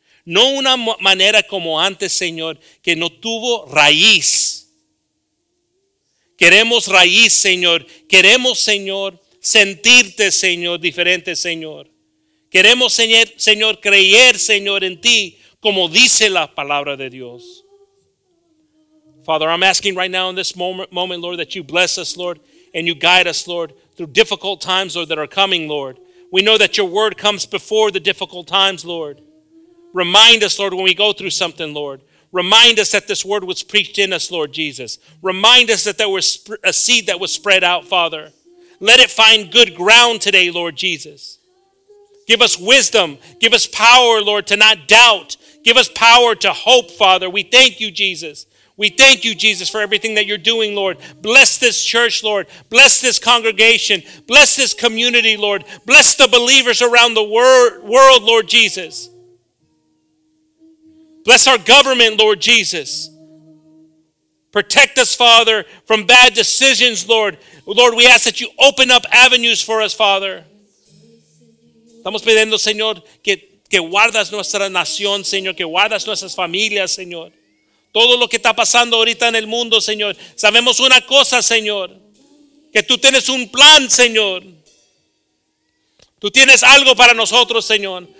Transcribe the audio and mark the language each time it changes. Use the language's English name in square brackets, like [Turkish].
[Spanish] No una manera como antes, Señor, que no tuvo raíz. Queremos raíz, Señor. Queremos, Señor, sentirte, Señor, diferente, Señor. Queremos, Señor, creer, Señor, en Ti, como dice la palabra de Dios. [English] Father, I'm asking right now in this moment, Lord, that You bless us, Lord, and You guide us, Lord, through difficult times, Lord, that are coming, Lord. We know that Your word comes before the difficult times, Lord. Remind us, Lord, when we go through something, Lord. Remind us that this word was preached in us, Lord Jesus. Remind us that there was a seed that was spread out, Father. Let it find good ground today, Lord Jesus. Give us wisdom. Give us power, Lord, to not doubt. Give us power to hope, Father. We thank You, Jesus. We thank You, Jesus, for everything that You're doing, Lord. Bless this church, Lord. Bless this congregation. Bless this community, Lord. Bless the believers around the world, Lord Jesus. Bless our government, Lord Jesus. Protect us, Father, from bad decisions, Lord. Lord, we ask that You open up avenues for us, Father. [Spanish] Estamos pidiendo, Señor, que guardas nuestra nación, Señor, que guardas nuestras familias, Señor. Todo lo que está pasando ahorita en el mundo, Señor. Sabemos una cosa, Señor. Que Tú tienes un plan, Señor. Tú tienes algo para nosotros, Señor.